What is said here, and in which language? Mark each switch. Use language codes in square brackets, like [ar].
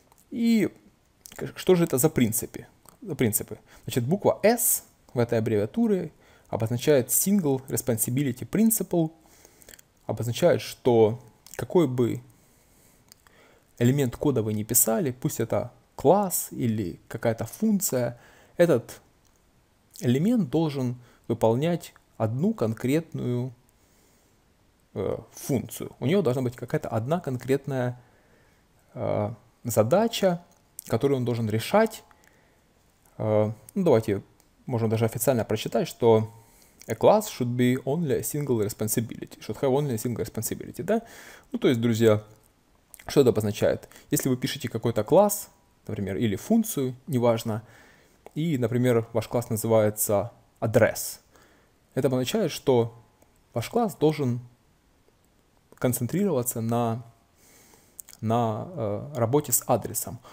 [ru] И что же это за принципы? Значит, буква S в этой аббревиатуре обозначает Single Responsibility Principle, обозначает, что какой бы элемент кода вы не писали, пусть это класс или какая-то функция, этот элемент должен выполнять одну конкретную функцию. У него должна быть какая-то одна конкретная задача, которую он должен решать. Ну, давайте можем даже официально прочитать, что [en] a class should be only a single responsibility. Should have only a single responsibility, [ru] да? Ну, то есть, друзья, что это обозначает? Если вы пишете какой-то класс, например, или функцию, неважно, и, например, ваш класс называется address, это обозначает, что ваш класс должен концентрироваться на работе с адресом.